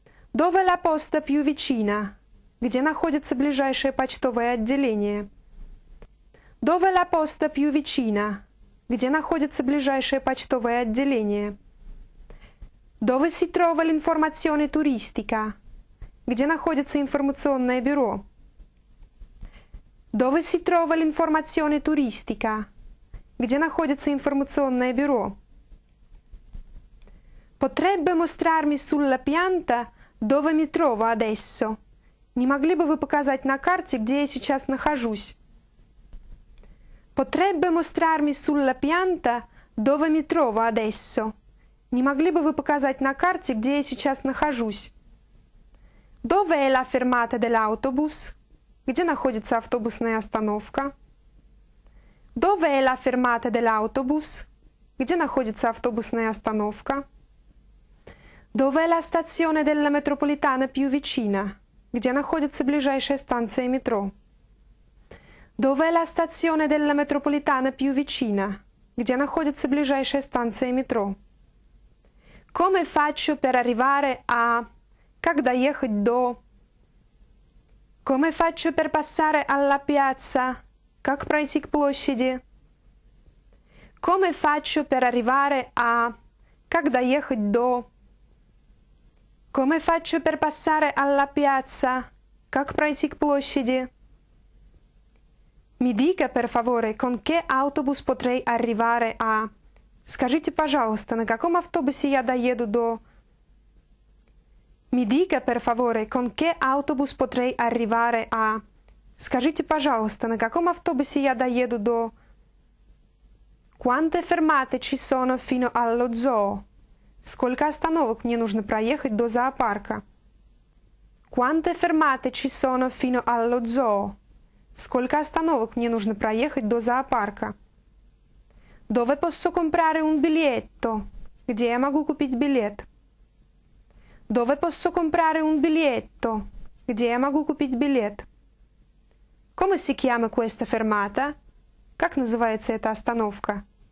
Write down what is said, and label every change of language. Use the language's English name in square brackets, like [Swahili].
[Italian] Dove la posta più vicina? [Russian] Где находится ближайшее почтовое отделение? [Italian] Dove la posta più vicina? [Russian] Где находится ближайшее почтовое отделение? [Italian] Dove si trova l'informazione turistica? [Russian] Где находится информационное бюро? [Italian] Dove si trova l'informazione turistica? [Russian] Где находится информационное бюро? [Italian] Potrebbe mostrarmi sulla pianta dove mi trovo adesso? [Russian] Не могли бы вы показать на карте, где я сейчас нахожусь? [Italian] Potrebbe mostrarmi sulla pianta dove mi trovo adesso? [Russian] Не могли бы вы показать на карте, где я сейчас нахожусь? [Italian] Dove è la fermata dell'autobus? [Russian] Где находится автобусная остановка? [Italian] Dove è la fermata dell'autobus? [Russian] Где находится автобусная остановка? [Italian] Dove è la stazione della metropolitana più vicina? [Russian] Где находится ближайшая станция метро? [Italian] Dove è la stazione della metropolitana più vicina? [Russian] Где находится ближайшая станция метро? [Italian] Come faccio per arrivare a... [Russian] Как доехать до... [Italian] Come faccio per passare alla piazza? [Russian] Как пройти к площади? [Italian] Come faccio per arrivare a... [Russian] Как доехать до... [Italian] Come faccio per passare alla piazza? [Russian] Как пройти к площади? [Italian] Mi dica, per favore, con che autobus potrei arrivare a... [Russian] Скажите, пожалуйста, на каком автобусе я доеду до... [Italian] Mi dica, per favore, con che autobus potrei arrivare a... [Russian] Скажите, пожалуйста, на каком автобусе я доеду до... [Italian] Quante fermate ci sono fino allo zoo? [Russian] Сколько остановок мне нужно проехать до зоопарка? [Italian] Quante fermate ci sono fino allo zoo? [Russian] Сколько остановок мне нужно проехать до зоопарка? [Italian] Dove posso comprare un biglietto? [Russian] Где я могу купить билет? [Italian] Dove posso comprare un biglietto? [Russian] Где я могу купить билет? [Italian] Come si chiama questa fermata? [Russian] Как называется эта остановка?